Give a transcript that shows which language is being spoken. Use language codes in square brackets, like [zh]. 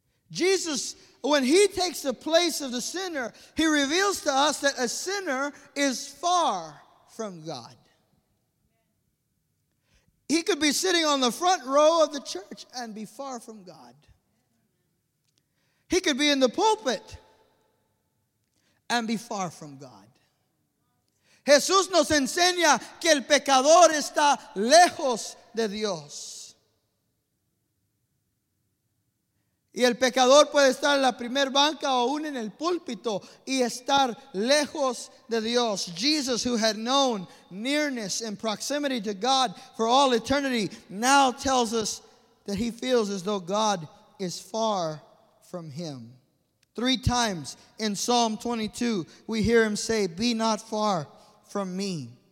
[en] Jesus, when he takes the place of the sinner, he reveals to us that a sinner is far from God. He could be sitting on the front row of the church and be far from God. He could be in the pulpit and be far from God. [es] Jesús nos enseña que el pecador está lejos de Dios. Y el pecador puede estar en la primer banca o aún en el púlpito y estar lejos de Dios. [en] Jesus, who had known nearness and proximity to God for all eternity, now tells us that he feels as though God is far from him. Three times in Psalm 22, we hear him say, "Be not far from me.